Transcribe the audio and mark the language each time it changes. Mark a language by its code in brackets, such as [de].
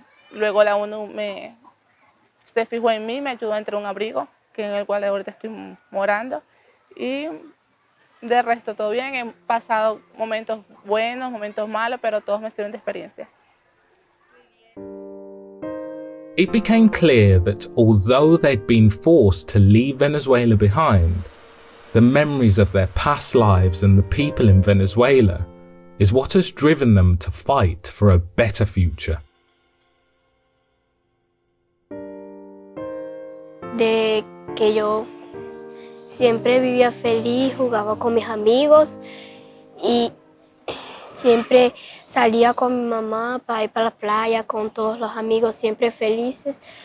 [es] Luego la ONU se fijó en mí, me ayudó a entrar a un abrigo, que en el cual ahorita estoy morando. Y de resto todo bien, he pasado momentos buenos, momentos malos, pero todos me sirven de experiencia. [en] It became clear that although they'd been forced to leave Venezuela behind, the memories of their past lives and the people in Venezuela is what has driven them to fight for a better future. [es] De que yo siempre vivía feliz, jugaba con mis amigos y siempre salía con mi mamá para ir para la playa con todos los amigos, siempre felices.